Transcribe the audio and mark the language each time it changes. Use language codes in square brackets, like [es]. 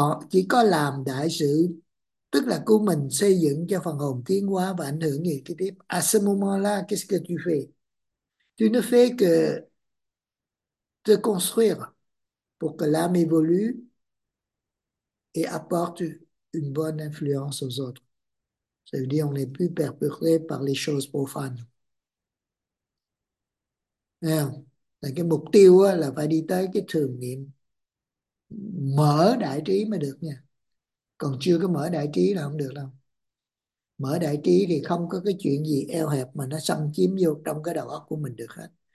[vi] Chỉ có làm đại sự, tức là của mình xây dựng cho phần hồn tiến hóa và ảnh hưởng gì cái tiếp. [fr] À ce moment-là, qu'est-ce que tu fais? Tu ne fais que te construire pour que l'âme évolue et apporte une bonne influence aux autres. Ça veut dire qu'on n'est plus perturbé par les choses profanes. [vi] Là cái mục tiêu là phải đi tới cái thường niệm, mở đại trí mới được nha. Còn chưa có mở đại trí là không được đâu. Mở đại trí thì không có cái chuyện gì eo hẹp mà nó xâm chiếm vô trong cái đầu óc của mình được hết.